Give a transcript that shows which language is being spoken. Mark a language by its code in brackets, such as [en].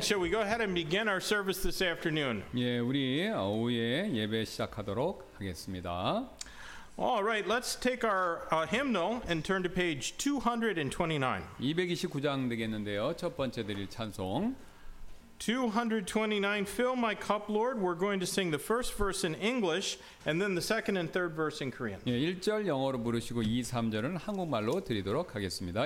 [en] Shall we go ahead and begin our service this afternoon? [ko] 예, 우리 오후에 예배 시작하도록 하겠습니다. [en] All right, let's take our hymnal and turn to page 229. [ko] 229장 되겠는데요. 첫 번째 드릴 찬송. [en] 229, fill my cup, Lord. We're going to sing the first verse in English and then the second and third verse in Korean. [ko] 예, 1절 영어로 부르시고 2, 3절은 한국말로 드리도록 하겠습니다.